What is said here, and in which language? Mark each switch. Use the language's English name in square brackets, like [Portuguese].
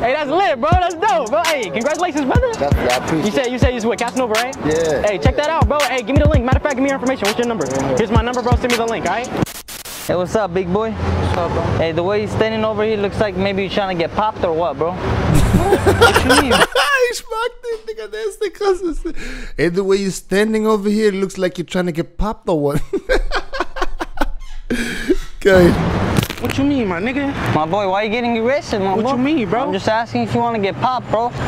[English] Hey, that's lit, bro, that's dope, bro. Hey, congratulations, brother. Definitely, I appreciate it. You said you're with Casanova, right? Yeah. Hey, check that out, bro. Hey, give me the link. Matter of fact, give me your information. What's your number? Yeah. Here's my number, bro. Send me the link, all right? Hey, what's up, big boy? What's up, bro? Hey, the way he's standing over here, looks like maybe you're trying to get popped or what, bro? [German] Ich mag den, Digga, der ist der krasseste. [English] Hey, the way you're standing over here, looks like you're trying to get popped or what? Okay. What you mean, my nigga? My boy, why are you getting aggressive, my what boy? What you mean, bro? I'm just asking if you want to get popped, bro.